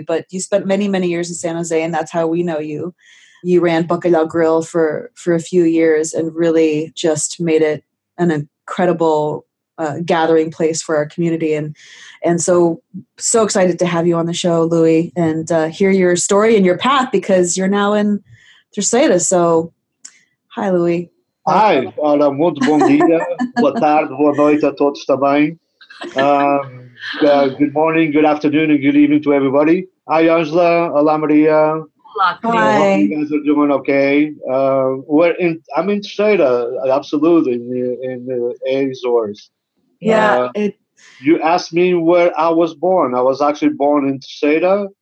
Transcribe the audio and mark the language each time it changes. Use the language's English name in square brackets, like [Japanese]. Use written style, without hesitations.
[English] But you spent many, many years in San Jose, and that's how we know you. You ran Bacalhau Grill for a few years and really just made it an incredible gathering place for our community. And so excited to have you on the show, Louis, and hear your story and your path, because you're now in Terceira. So, hi, Louis. [Portuguese] Hi, olha, muito bom dia, boa tarde, boa noite a todos também. [English] Good morning, good afternoon, and good evening to everybody. Hi, Angela. Olá, Maria. [Portuguese] Olá, [English] hi. You guys are doing okay. I'm in Terceira, absolutely, in Azores. Yeah. You asked me where I was born. I was actually born in Terceira.